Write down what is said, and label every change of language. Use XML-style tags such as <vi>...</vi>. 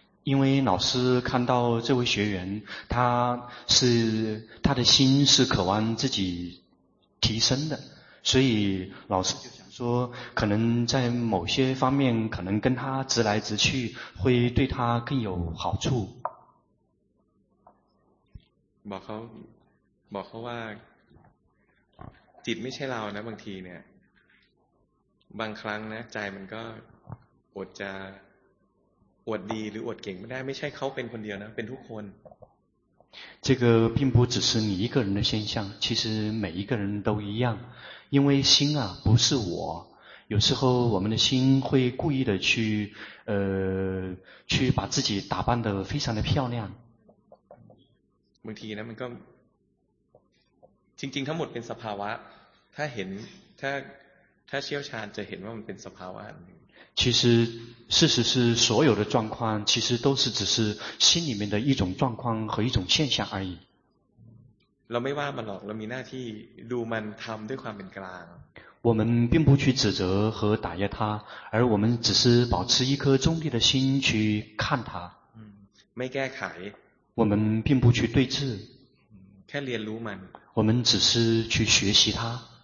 <zh>因为老师看到这位学员他的心是渴望自己提升的所以老师就想说可能在某些方面可能跟他直来直去会对他更有好处</zh> <th>บอกเขาว่าจิตไม่ใช่เรานะบางทีเนี่ยบางครั้งนะใจมันก็อดจะอดดีหรืออดเก่งไม่ได้ไม่ใช่เขาเป็นคนเดียวนะเป็นทุกคน</th> <zh>这个并不只是你一个人的现象其实每一个人都一样因为心啊不是我有时候我们的心会故意的去把自己打扮得非常的漂亮</zh> <th>บางทีนะมันก็จริงๆทั้งหมดเป็นสภาวะถ้าเห็นถ้าเชี่ยวชาญจะเห็นว่ามันเป็นสภาวะ</th> <zh>其实事实是所有的状况其实都是只是心里面的一种状况和一种现象而已。</zh> <th>เราไม่ว่ามันหรอกเรามีหน้าที่ดูมันทำด้วยความเป็นกลาง</th> <zh>我们并不去指责和打压他，而我们只是保持一颗中立的心去看他。</zh> <th>ไม่แก้ไข</th> <zh>我们并不去对峙。</zh> <th>แค่เรียนรู้มัน</th> <zh>我们只是去学习他。</zh>